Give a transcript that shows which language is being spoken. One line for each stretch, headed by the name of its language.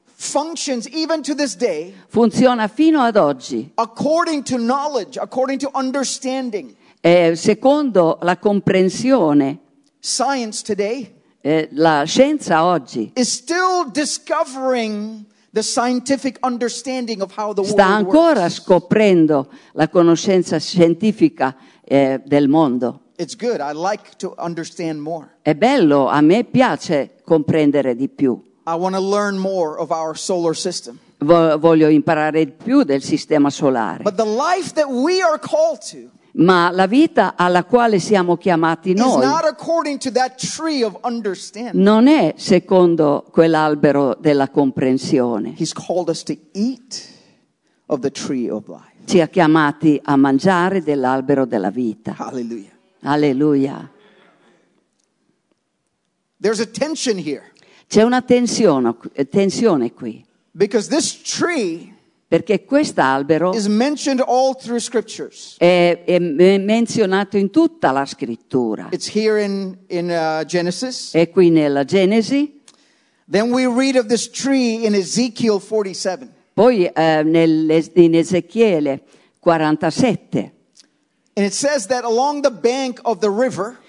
English: functions even to this day,
Italian: funziona fino ad oggi
English: according to knowledge, according to understanding.
Italian: Secondo la comprensione,
English: science today,
Italian: la scienza oggi
English: is still discovering the scientific understanding of how the world
Italian: sta ancora
English: works.
Italian: Scoprendo la conoscenza scientifica del mondo.
English: It's good. I like to understand more.
Italian: È bello, a me piace comprendere di più.
English: I want to learn more of our solar system.
Italian: Voglio imparare più del sistema solare.
English: But the life that we are called to,
Italian: ma la vita alla quale siamo chiamati noi
English: is not according to that tree of understanding.
Italian: Non è secondo quell'albero della comprensione.
English: He's called us to eat of the tree of life.
Italian: Ci ha chiamati a mangiare dell'albero della vita.
English: Alleluia.
Italian: Alleluia.
English: There's a tension here.
Italian: C'è una tensione qui.
English: Because this tree,
Italian: perché quest'albero
English: is mentioned all through scriptures.
Italian: È menzionato in tutta la scrittura.
English: It's here in Genesis.
Italian: È qui nella Genesi.
English: Then we read of this tree in Ezekiel 47.
Italian: Poi in Ezechiele 47.
English: And it says that along the bank of the river,